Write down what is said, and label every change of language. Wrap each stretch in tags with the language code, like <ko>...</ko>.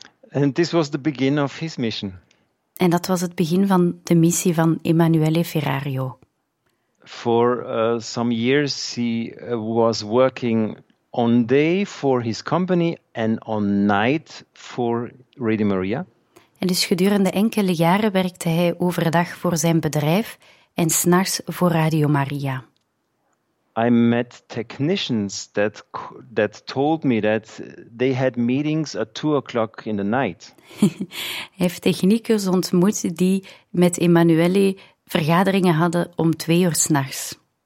<en>And this was the beginning of his mission.</en> <nl>En dat was het begin van de missie van Emanuele Ferrario.</nl> <en>For some years he was working on day for his company and on night for Radio Maria.</en> <nl>En dus gedurende enkele jaren werkte hij overdag voor zijn bedrijf en 's nachts voor Radio Maria.</nl> <en>I met technicians that told me that they had meetings at 2 o'clock in the night.</en> <nl>Hij heeft techniekers ontmoet die met Emanuele vergaderingen hadden om 2 uur 's nachts.</nl>